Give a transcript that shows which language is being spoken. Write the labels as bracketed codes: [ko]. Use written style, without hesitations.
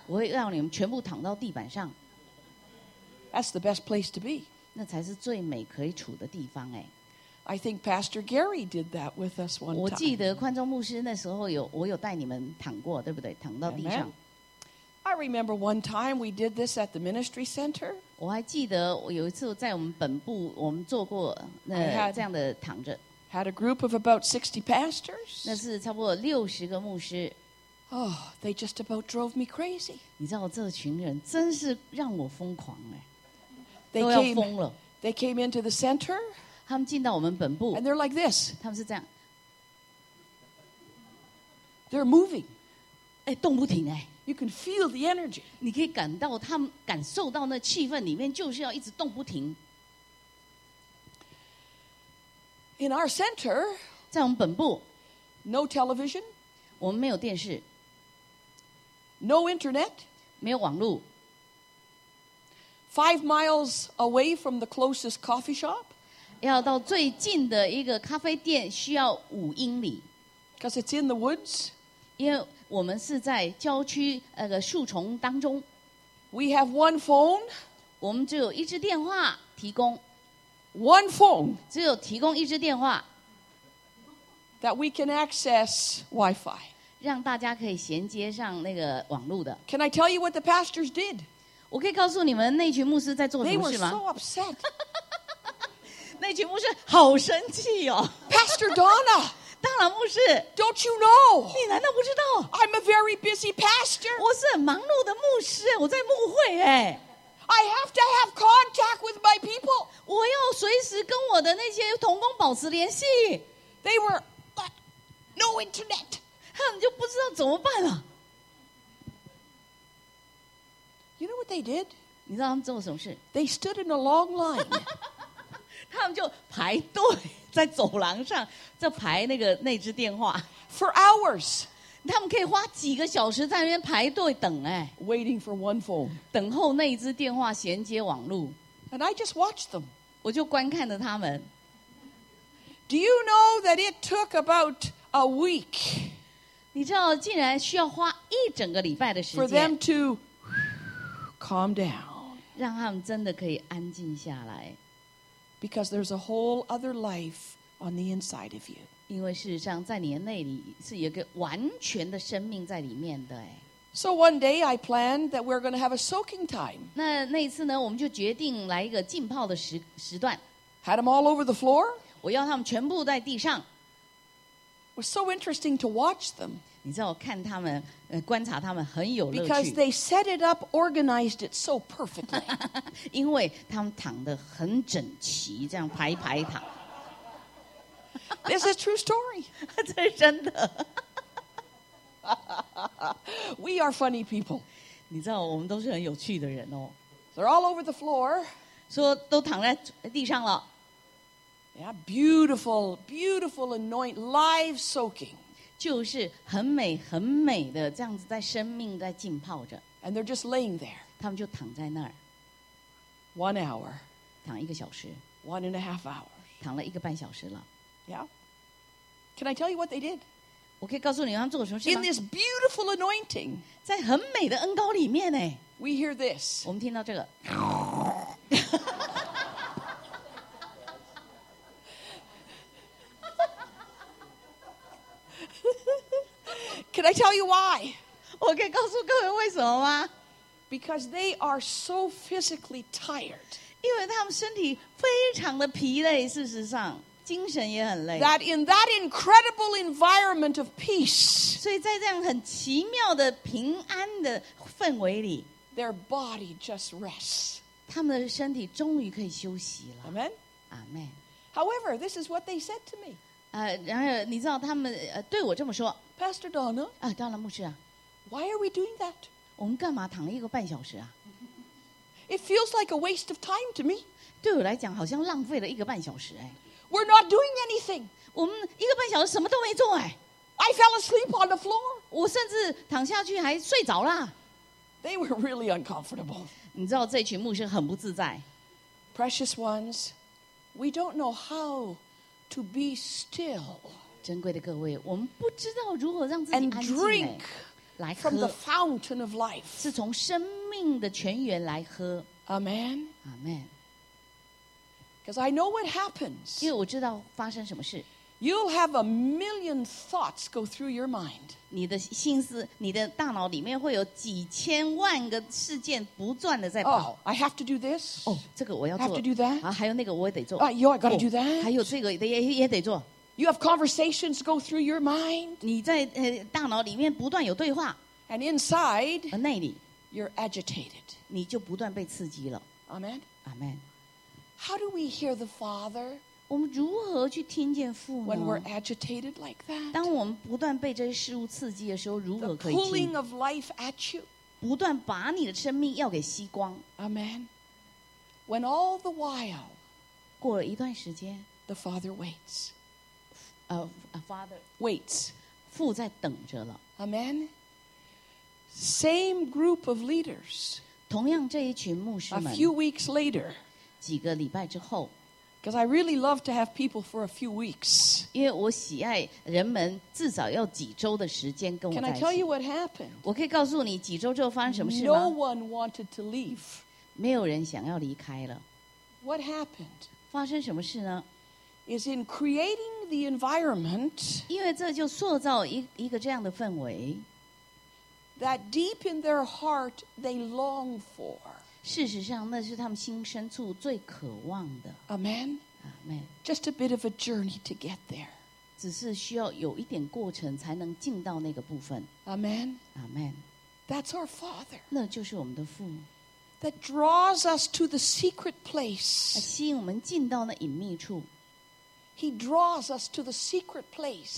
[zh] 我会让你们全部躺到地板上。 [en] That's the best place to be。 [zh] 那才是最美可以处的地方哎。 [en] I think Pastor Gary did that with us one time。 [zh] 我记得宽中牧师那时候有我有带你们躺过，对不对？躺到地上。 [en] I remember one time we did this at the ministry center。 [zh] 我还记得有一次在我们本部我们做过那这样的躺着。 [en] Had a group of about 60 pastors。 [zh] 那是差不多六十个牧师。 [en] Oh, they just about drove me crazy。 [zh] 你知道这群人真是让我疯狂哎。 [en] They came into the center. [zh] 他们进到我们本部 [en] And they're like this. [zh] 他们是这样 [en] They're moving. [zh] 哎，动不停哎。 [en] You can feel the energy. [zh] 你可以感到他们感受到那气氛里面就是要一直动不停。 [en] In our center, [zh] 在我们本部 [en] no television. [zh] 我们没有电视 [en] no internet. [zh] 没有网络。 [en] 5 miles away from the closest coffee shop. [zh] 要到最近的一个咖啡店需要5英里。 [en] Because it's in the woods. [zh] 因为我们是在郊区树丛当中。 [en] We have one phone. [zh] 我们只有一支电话提供。 [en] One phone. [zh] 只有提供一支电话。 [en] That we can access Wi-Fi. [zh] 让大家可以衔接上那个网络的。 [en] Can I tell you what the pastors did? [zh] 我可以告诉你们那群牧师在做什么事吗 [en] ？They were so upset. [zh] 那群牧师好生气哦。 [en] Pastor Donna. [zh] 大老牧师。 [en] Don't you know? [zh] 你难道不知道 [en] ？I'm a very busy pastor. [zh] 我是很忙碌的牧师，我在牧会哎。 [en] I have to have contact with my people. [zh] 我要随时跟我的那些同工保持联系。 [en] They were no internet. [zh] 他们就不知道怎么办了。 [en] You know what they did? [zh] 你知道他们做什么事 [en] ？They stood in a long line. [zh] 他们就排队在走廊上，在排那个那支电话。 [en] For hours. [zh] 他们可以花几个小时在那边排队等哎。 [en] Waiting for one phone. [zh] 等候那一支电话衔接网路。 [en] And I just watched them. [zh] 我就观看着他们。 [en] Do you know that it took about a week? [zh] 你知道，竟然需要花一整个礼拜的时间 [en] ，for them to calm down， [zh] 让他们真的可以安静下来 [en] ，because there's a whole other life on the inside of you。 [zh] 因为事实上，在你的内里是有一个完全的生命在里面的。 [en] So one day I planned that we're going to have a soaking time。 [zh] 那一次呢，我们就决定来一个浸泡的时段。 [en] Had them all over the floor。 [zh] 我要他们全部在地上。 [en] It was so interesting to watch them. [zh] 你知道看他们，观察他们很有乐趣。 [en] Because they set it up, organized it so perfectly. [zh] 因为他们躺得很整齐，这样排排躺。 [en] This is a true story. [zh] 这是真的。 [en] We are funny people. [zh] 你知道我们都是很有趣的人哦。 [en] They're all over the floor. [zh] 说都躺在地上了。 [en] Yeah, beautiful, beautiful anoint, live soaking. [zh] 就是很美很美的这样子在生命在浸泡着。 [en] And they're just laying there. [zh] 他们就躺在那儿。 [en] One hour. [zh] 躺一个小时。 [en] One and a half hours. [zh] 躺了一个半小时了。 [en] Yeah. Can I tell you what they did? [zh] 我可以告诉你他们做了什么事吗 [en] ？In this beautiful anointing. [zh] 在很美的恩膏里面呢。 [en] We hear this. [zh] 我们听到这个。 [en] Can I tell you why? [zh] 我可以告诉各位为什么吗 [en] ？Because they are so physically tired. [zh] 因为他们身体非常的疲累，事实上精神也很累。 [en] That in that incredible environment of peace. [zh] 所以在这样很奇妙的平安的氛围里 [en] ，their body just rests. [zh] 他们的身体终于可以休息了。 [en] Amen. Amen. However, this is what they said to me. [zh] 然而你知道他们对我这么说。 [en] Pastor Donna, [zh] 啊，当然牧师啊。 [en] Why are we doing that? [zh] 我们干嘛躺一个半小时啊 [en] ？It feels like a waste of time to me. [zh] 对我来讲，好像浪费了一个半小时哎。 [en] We're not doing anything. [zh] 我们一个半小时什么都没做哎。 [en] I fell asleep on the floor. [zh] 我甚至躺下去还睡着了。 [en] They were really uncomfortable. [zh] 你知道这群牧师很不自在。 [en] Precious ones, we don't know how to be still. [zh] 珍贵的各位，我们不知道如何让自己安静。 [en] And drink [zh] 来喝 [en] from the fountain of life， [zh] 是从生命的泉源来喝。 [en] Amen. Amen. Because I know what happens. [zh] 因为我知道发生什么事。 [en] You'll have a million thoughts go through your mind. [zh] 你的心思，你的大脑里面会有几千万个事件不断的在跑。 [en] Oh, I have to do this. [zh] 哦，这个我要做。 [en] Have to do that. [zh] 啊，还有那个我也得做。 [en] Ah, you, I gotta do that. [zh] 还有这个也得做。 [en] You have conversations go through your mind. [zh] 你在大脑里面不断有对话。 [en] And inside, [zh] 内里 [en] you're agitated. [zh] 你就不断被刺激了。 [en] Amen. Amen. How do we hear the Father? [zh] 我们如何去听见父呢 [en] ？When we're agitated like that, [zh] 当我们不断被这些事物刺激的时候，如何可以听 [en] ？The pulling of life at you. [zh] 不断把你的生命要给吸光。 [en] Amen. When all the while, [zh] 过了一段时间 [en] ，the Father waits. A father waits. [zh] 父在等着了 [en] Amen. Same group of leaders. [zh] 同样这一群牧师们 [en] A few weeks later. [zh] 几个礼拜之后 [en] Because I really love to have people for a few weeks. [zh] 因为我喜爱人们至少要几周的时间跟我在一起 [en] Can I tell you what happened? [zh] 我可以告诉你几周之后发生什么事吗 [en] No one wanted to leave. [zh] 没有人想要离开了 [en] What happened? [zh] 发生什么事呢 [en] Is in creating the environment, [zh] 因为这就塑造一个这样的氛围 [en] that deep in their heart they long for. [zh] 事实上，那是他们心深处最渴望的。 [en] Amen. Amen. Just a bit of a journey to get there. [zh] 只是需要有一点过程才能进到那个部分。 [en] Amen. Amen. That's our Father. [zh] 那就是我们的父。 [en] That draws us to the secret place. [zh] 吸引我们进到那隐秘处。 [en] He draws us to the secret place.